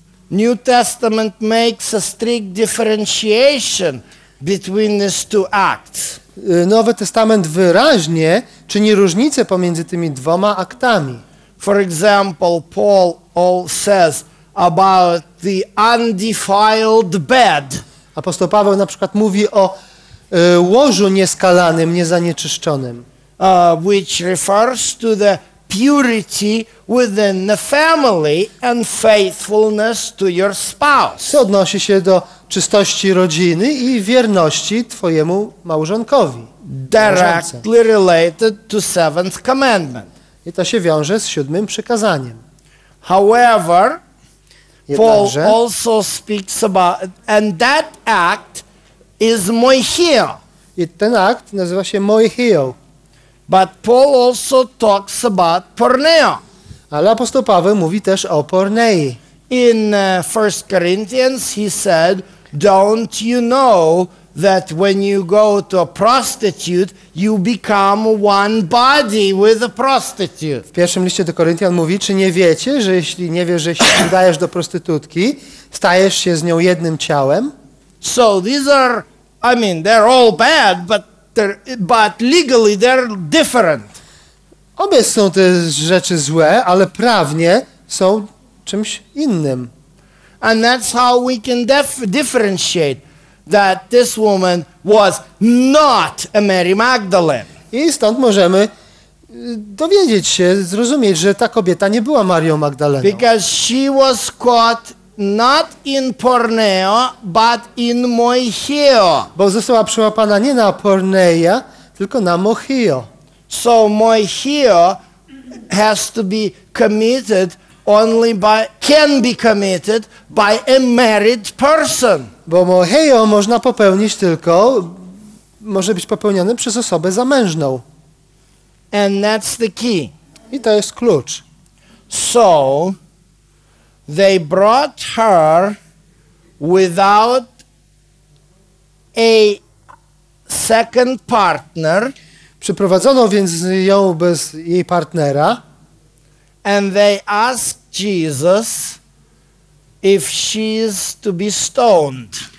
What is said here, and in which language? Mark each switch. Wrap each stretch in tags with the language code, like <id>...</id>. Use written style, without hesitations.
<en>New Testament makes a strict differentiation between these two acts.</en> <pl>Nowy Testament wyraźnie czyni różnicę pomiędzy tymi dwoma aktami.</pl> <en>For example, Paul says about the undefiled bed.</en> <pl>Apostoł Paweł na przykład mówi o łożu nieskalanym, niezanieczyszczonym.</pl> <en>Which refers to the purity within the family and faithfulness to your spouse.</en> <pl>To odnosi się do czystości rodziny i wierności twojemu małżonkowi.</pl> <en>Directly related to seventh commandment.</en> <pl>I to się wiąże z siódmym przykazaniem.</pl> <en>However, Paul also speaks about, and that act is moichia.</en> <pl>I ten akt nazywa się moichia.</pl> <en>But Paul also talks about porneia.</en> <pl>Ale apostoł Paweł mówi też o pornei.</pl> <en>In 1 Corinthians he said, don't you know that when you go to a prostitute, you become one body with a prostitute.</en> <pl>W pierwszym liście do Koryntian mówi, czy nie wiecie, że jeśli nie wiesz, że się udajesz do prostytutki, stajesz się z nią jednym ciałem?</pl> <en>So these are, I mean, they're all bad, but legally they're different.</en> <pl>Obie są te rzeczy złe, ale prawnie są czymś innym.</pl> <en>And that's how we can differentiate that this woman was not a Mary Magdalene.</en> <pl>I stąd możemy dowiedzieć się, zrozumieć, że ta kobieta nie była Marią Magdaleną.</pl> <en>Because she was caught not in porneia, but in moichia.</en> <pl>Bo została przyłapana nie na porneia, tylko na moichia.</pl> <en>So moichia has to be committed only by, can be committed by a married person.</en> <pl>Bo moheio można popełnić tylko, może być popełnione przez osobę zamężną.</pl> <en>And that's the key.</en> <pl>I to jest klucz.</pl> <en>So, they brought her without a second partner.</en> <pl>Przyprowadzono więc ją bez jej partnera.</pl> <en>And they asked Jesus if she is to be stoned.</en>